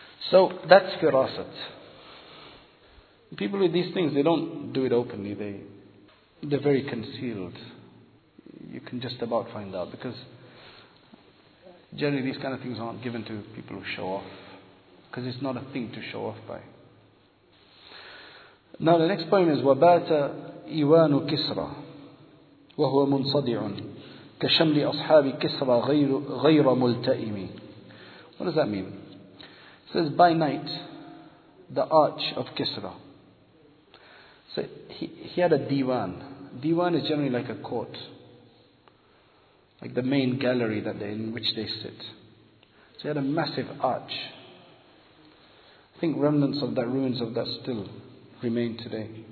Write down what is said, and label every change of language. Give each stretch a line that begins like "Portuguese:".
English: So that's firasat. People with these things, they don't do it openly. They're very concealed. You can just about find out, because generally these kind of things aren't given to people who show off, because it's not a thing to show off by. Now the next poem is
Arabic: وَبَاتَ إِوَانُ كِسْرَى وَهُوَ مُنْصَدِعٌ كَشَمْلِ أَصْحَابِ كِسْرَى غَيْرَ مُلْتَئِمِ.
English: What does that mean? It says, by night, the arch of Kisra. So he had a diwan. Diwan is generally like a court, like the main gallery that they in which they sit. So he had a massive arch. I think remnants of that, ruins of that still remain today.